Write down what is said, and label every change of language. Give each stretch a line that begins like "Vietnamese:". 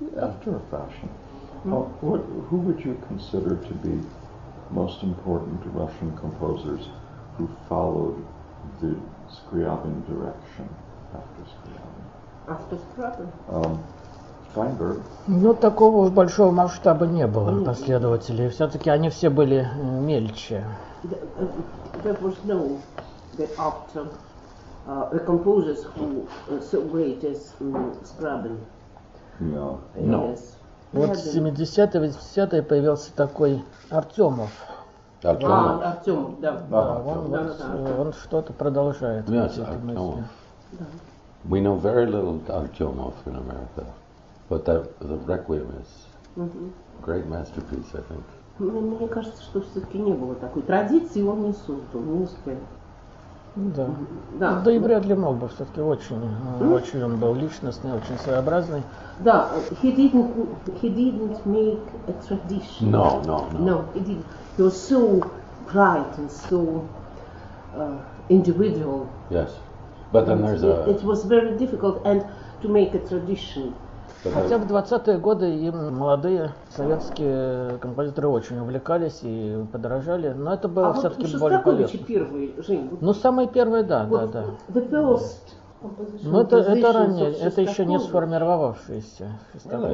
English: After a fashion. Who would you consider to be most important Russian composers who followed the Scriabin direction after Scriabin? After Scriabin? Steinberg.
Russian: Ну, такого уж большого масштаба не было последователей. Все-таки они все были мельче.
English: There was no that after the composers who so great as Scriabin. No. Yes.
Russian: Вот в 70-е, 80-е появился такой Артемов. Артемов, да. Он что-то продолжает.
English: Да. We know very little Артемов in America. But the Requiem is a great masterpiece, I think.
Russian: Мне кажется, что все-таки не было такой традиции, он не создал, не успел. Да и вряд ли мог бы, все-таки очень он был личностный, очень своеобразный.
English: Да, he didn't make a tradition. No, he didn't. He was so bright and so individual. Yes, but then there's a... It was very difficult and to make a tradition.
Russian: Хотя в 20-е годы и молодые советские композиторы очень увлекались и подорожали, но это было все-таки более полезно. А вот Шостакович первый, Жень? Самый первый.
English: The first composition.
Russian: Но это ранее, это еще не сформировавшийся Шостакович.